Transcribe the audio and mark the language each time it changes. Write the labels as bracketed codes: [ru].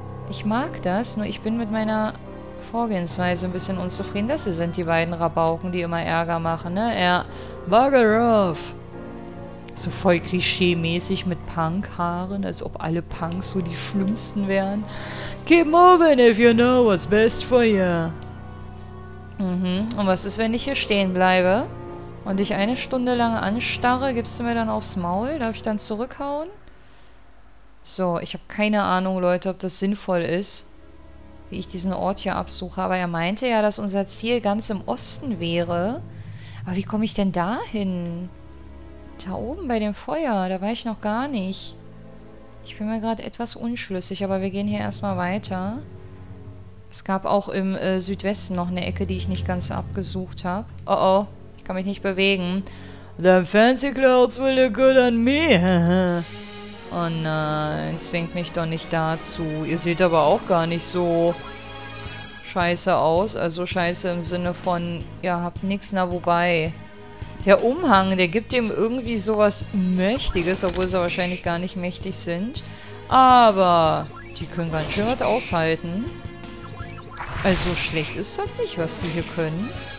[de] Ich mag das, nur ich bin mit meiner Vorgehensweise ein bisschen unzufrieden. Das hier sind die beiden Rabauken, die immer Ärger machen, ne? Ja, [en] bugger off. [de] So voll klischee-mäßig mit Punk-Haaren, als ob alle Punks so die schlimmsten wären. [en] Keep moving if you know what's best for you. [de] Mhm, und was ist, wenn ich hier stehen bleibe? Und ich eine Stunde lang anstarre, gibst du mir dann aufs Maul? Darf ich dann zurückhauen? So, ich habe keine Ahnung, Leute, ob das sinnvoll ist, wie ich diesen Ort hier absuche. Aber er meinte ja, dass unser Ziel ganz im Osten wäre. Aber wie komme ich denn da hin? Da oben bei dem Feuer, da war ich noch gar nicht. Ich bin mir gerade etwas unschlüssig, aber wir gehen hier erstmal weiter. Es gab auch im Südwesten noch eine Ecke, die ich nicht ganz abgesucht habe. Oh oh. Ich kann mich nicht bewegen. [en] The fancy clothes will look good on me. [de] Oh nein, zwingt mich doch nicht dazu. Ihr seht aber auch gar nicht so scheiße aus. Also scheiße im Sinne von, ihr habt nichts, na wobei. Der Umhang, der gibt dem irgendwie sowas Mächtiges, obwohl sie wahrscheinlich gar nicht mächtig sind. Aber die können ganz schön was aushalten. Also schlecht ist das nicht, was die hier können.